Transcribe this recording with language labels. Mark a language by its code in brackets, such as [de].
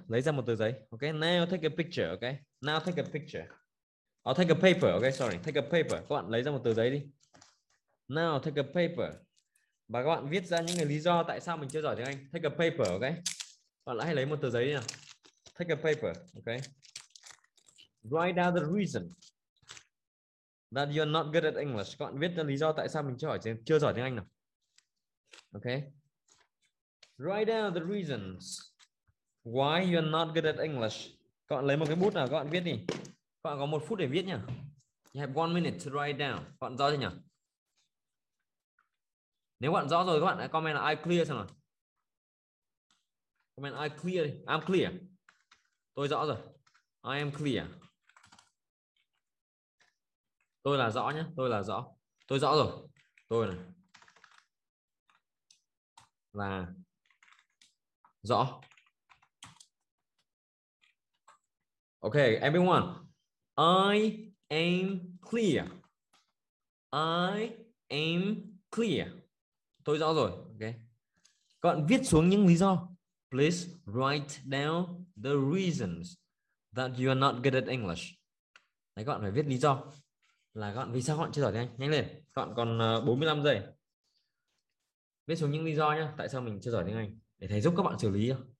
[vi] Lấy ra một tờ giấy. [en] Ok. Now take a picture. Ok. Now take a picture. I'll take a paper. Ok. Sorry. Take a paper. [vi] Các bạn lấy ra một tờ giấy đi. [en] Now take a paper. [vi] Và các bạn viết ra những cái lý do tại sao mình chưa giỏi tiếng Anh. [en] Take a paper. [vi] Ok. Các bạn hãy lấy một tờ giấy đi nào. [en] Take a paper. Ok. Write down the reason that you're not good at English. [vi] Các bạn viết ra lý do tại sao mình chưa giỏi tiếng Anh nào. Ok. [en] Write down the reasons why you are not good at English. [vi] Các bạn lấy một cái bút nào, các bạn viết đi. Các bạn có một phút để viết nhá. [en] You have one minute to write down. [vi] Các bạn rõ chưa nhỉ? Nếu bạn rõ rồi, các bạn hãy comment là I clear xem nào. [en] Comment I clear đi. I'm clear. [vi] Tôi rõ rồi. [en] I am clear. [vi] Tôi là rõ nhé, tôi là rõ. Tôi rõ rồi. Tôi này. Là rõ. [en] Ok, everyone. I am clear. I am clear. [vi] Tôi rõ rồi. [en] Ok. [vi] Các bạn viết xuống những lý do. [en] Please write down the reasons that you are not good at English. [vi] Đấy, các bạn phải viết lý do. Là các bạn vì sao các bạn chưa giỏi tiếng Anh? Nhanh lên. Các bạn còn 45 giây. Viết xuống những lý do nhá, tại sao mình chưa giỏi tiếng Anh để thầy giúp các bạn xử lý nhá.